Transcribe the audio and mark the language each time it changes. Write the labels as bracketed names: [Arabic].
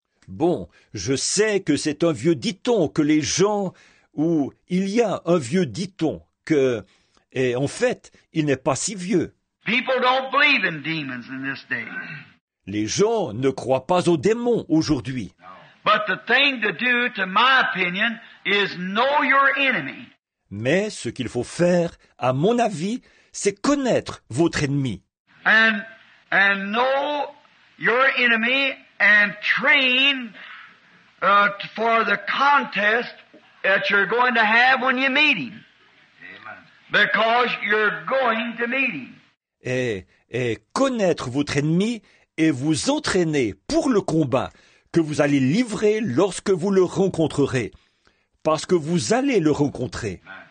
[French] Bon, je sais que c'est un vieux dicton que les gens, ou il y a un vieux dicton que, et en fait, il n'est pas si vieux. [English] People don't believe in demons in this day. [French] Les gens ne croient pas aux démons aujourd'hui. [English] But the thing to do, to my opinion, is know your enemy. [French] Mais ce qu'il faut faire, à mon avis, c'est connaître votre ennemi. [English] And know your enemy and train for the contest that you're going to have when you meet him. Amen. Because you're going to meet him. [French] Et connaître votre ennemi et vous entraîner pour le combat que vous allez livrer lorsque vous le rencontrerez. Parce que vous allez le rencontrer.